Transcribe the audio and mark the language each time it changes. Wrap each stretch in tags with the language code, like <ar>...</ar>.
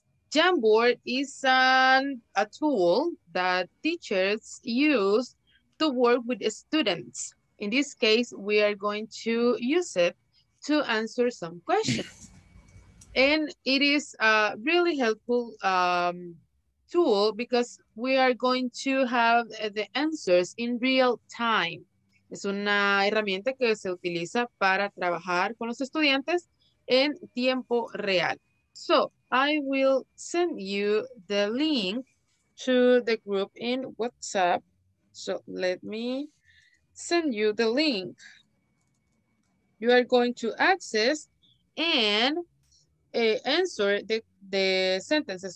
<en>Jamboard is a tool that teachers use to work with students. In this case, we are going to use it to answer some questions. And it is a really helpful tool because we are going to have the answers in real time.</en> <es>Es una herramienta que se utiliza para trabajar con los estudiantes en tiempo real.</es> <en>So, I will send you the link to the group in WhatsApp. So let me send you the link. You are going to access and answer the sentences.</en>